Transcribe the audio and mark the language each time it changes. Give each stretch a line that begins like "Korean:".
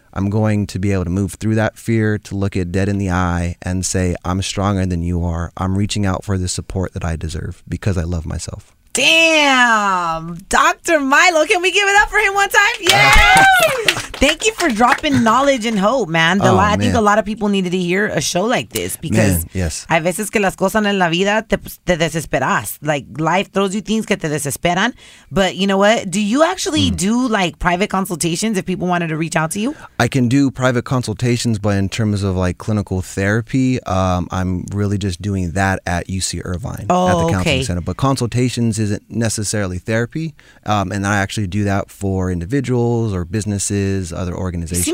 English: I'm going to be able to move through that fear, to look it dead in the eye and say, I'm stronger than you are. I'm reaching out for the support that I deserve because I love myself. Damn, Dr. Milo, can we give it up for him one time? Yay! Thank you for dropping knowledge and hope, man. Man. I think a lot of people needed to hear a show like this because
Spanish: hay veces que las cosas en la vida te desesperas.
English: Like, life throws you things
Spanish: que te desesperan.
English: But you know what? Do you actually do, like, private consultations if people wanted to reach out to you? I can do private consultations, but in terms of, like, clinical therapy, I'm really just doing that at UC Irvine. Oh, at the counseling okay. center. But consultations isn't necessarily therapy, and I actually do that for individuals or businesses, other organizations.